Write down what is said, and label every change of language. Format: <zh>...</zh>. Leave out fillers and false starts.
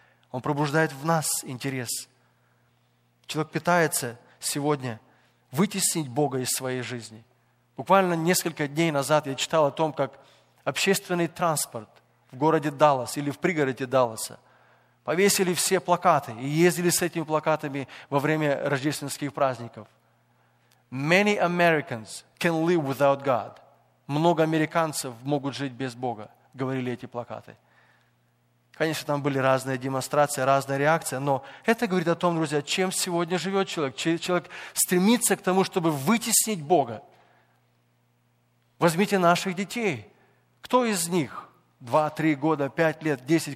<ru>Он пробуждает в нас интерес. Человек пытается сегодня вытеснить Бога из своей жизни. Буквально несколько дней назад я читал о том, как общественный транспорт в городе Даллас или в пригороде Далласа повесили все плакаты и ездили с этими плакатами во время рождественских праздников.</ru> <en>Many Americans can live without God.</en> <ru>Много американцев могут жить без Бога, говорили эти плакаты. Конечно, там были разные демонстрации, разная реакция, но это говорит о том, друзья, чем сегодня живет человек. Человек стремится к тому, чтобы вытеснить Бога. Возьмите наших детей. Кто из них 2-3 года, 5 лет, 10.</ru>